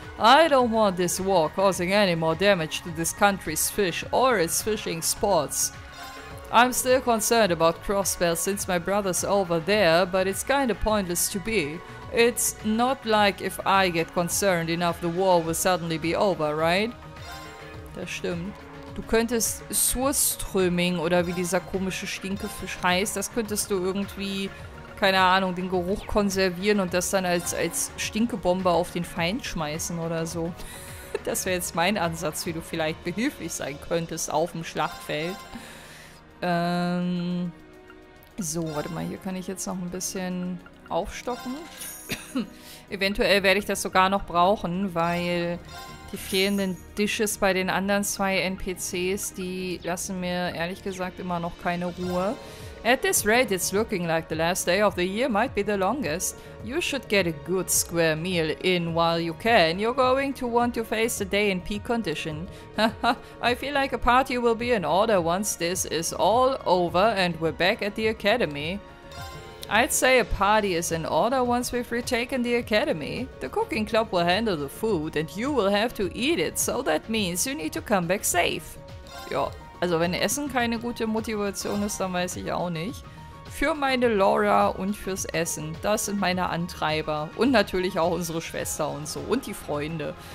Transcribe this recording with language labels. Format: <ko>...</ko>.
<en>I don't want this war causing any more damage to this country's fish or its fishing sports. I'm still concerned about Crossbell since my brother's over there, but it's kinda pointless to be. It's not like if I get concerned enough, the war will suddenly be over, right?</en> <de>Das stimmt. Du könntest Surströming oder wie dieser komische Stinkefisch heißt, das könntest du irgendwie, keine Ahnung, den Geruch konservieren und das dann als Stinkebombe auf den Feind schmeißen oder so. Das wäre jetzt mein Ansatz, wie du vielleicht behilflich sein könntest auf dem Schlachtfeld. So, warte mal, hier kann ich jetzt noch ein bisschen aufstocken. Eventuell werde ich das sogar noch brauchen, weil die fehlenden Dishes bei den anderen zwei NPCs, die lassen mir ehrlich gesagt immer noch keine Ruhe.</de> <en>At this rate, it's looking like the last day of the year might be the longest. You should get a good square meal in while you can. You're going to want to face the day in peak condition. Haha, I feel like a party will be in order once this is all over and we're back at the academy. I'd say a party is in order once we've retaken the academy. The cooking club will handle the food and you will have to eat it, so that means you need to come back safe.</en> <de>Ja, also wenn Essen keine gute Motivation ist, dann weiß ich auch nicht. Für meine Laura und fürs Essen, das sind meine Antreiber. Und natürlich auch unsere Schwester und so und die Freunde.</de>